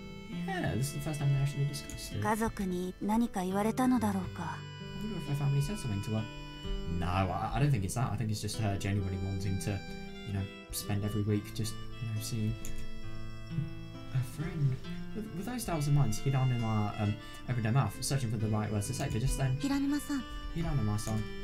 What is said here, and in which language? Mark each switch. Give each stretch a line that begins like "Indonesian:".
English: Yeah, this is the first time they actually discussed it.
Japanese: 家族に何か言われたのだろうか。
English: I wonder if her family said something to her.No, I don't think it's that. I think it's just her genuinely wanting to, you you know, spend every week just, you know, seeing a friend. With those doubts in mind, Hiranuma opened her mouth, searching for the right words to say, but just then... Hiranuma-san.